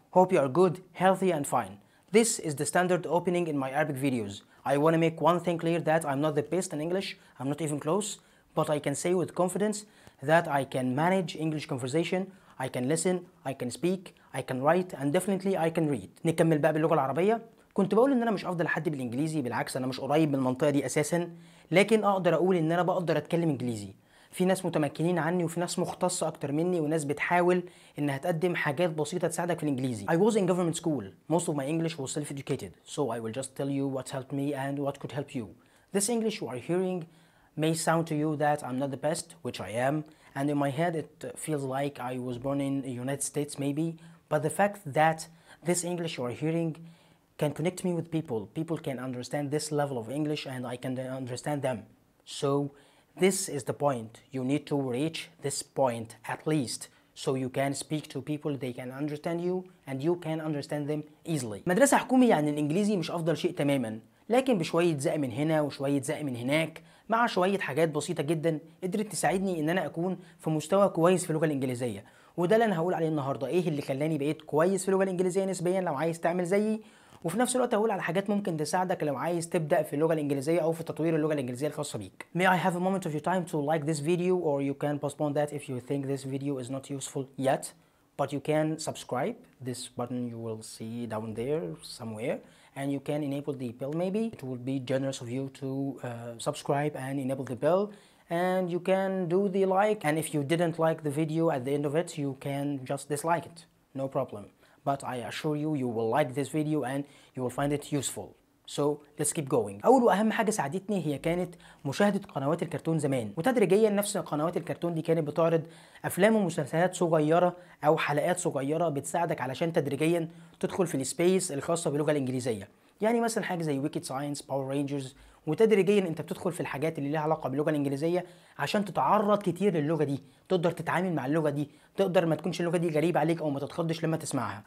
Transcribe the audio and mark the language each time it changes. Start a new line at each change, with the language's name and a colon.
English: Hope you are good, healthy and fine. This is the standard opening in my Arabic videos. I want to make one thing clear that I'm not the best in English. I'm not even close. But I can say with confidence that I can manage English conversation. I can listen, I can speak, I can write, and definitely I can read.
Arabic: نكمل بقى باللغة العربية. كنت بقول ان انا مش افضل حد بالانجليزي، بالعكس انا مش قريب من المنطقة دي اساسا، لكن اقدر اقول ان انا بقدر اتكلم انجليزي. في ناس متمكنين عني وفي ناس مختصة اكتر مني وناس بتحاول انها تقدم حاجات بسيطة تساعدك في الانجليزي.
English: I was in government school. Most of my English was self-educated. So I will just tell you what helped me and what could help you. This English you are hearing may sound to you that I'm not the best, which I am. And in my head, it feels like I was born in the United States, maybe. But the fact that this English you are hearing can connect me with people. People can understand this level of English and I can understand them. So this is the point. You need to reach this point at least. So you can speak to people, they can understand you and you can understand them easily.
Arabic: مدرسة حكومية يعني الإنجليزي مش أفضل شيء تماما. لكن بشوية زق من هنا وشوية زق من هناك مع شوية حاجات بسيطة جدا قدرت تساعدني ان انا اكون في مستوى كويس في اللغة الانجليزية، وده اللي انا هقول عليه النهاردة. ايه اللي خلاني بقيت كويس في اللغة الانجليزية نسبيا لو عايز تعمل زيي، وفي نفس الوقت هقول على حاجات ممكن تساعدك لو عايز تبدأ في اللغة الانجليزية او في تطوير اللغة الانجليزية الخاصة بيك.
English: May I have a moment of your time to like this video or you can postpone that if you think this video is not useful yet. But you can subscribe, this button you will see down there somewhere, and you can enable the bell maybe. It would be generous of you to subscribe and enable the bell, and you can do the like. And if you didn't like the video at the end of it, you can just dislike it, no problem. But I assure you, you will like this video and you will find it useful. So let's keep going.
Arabic: أول وأهم حاجة ساعدتني هي كانت مشاهدة قنوات الكرتون زمان، وتدريجيا نفس قنوات الكرتون دي كانت بتعرض أفلام ومسلسلات صغيرة أو حلقات صغيرة بتساعدك علشان تدريجيا تدخل في السبيس الخاصة باللغة الإنجليزية. يعني مثلا حاجة زي ويكيد ساينس، باور رينجرز، وتدريجيا أنت بتدخل في الحاجات اللي لها علاقة باللغة الإنجليزية عشان تتعرض كتير للغة دي، تقدر تتعامل مع اللغة دي، تقدر ما تكونش اللغة دي غريبة عليك أو ما تتخضش لما تسمعها.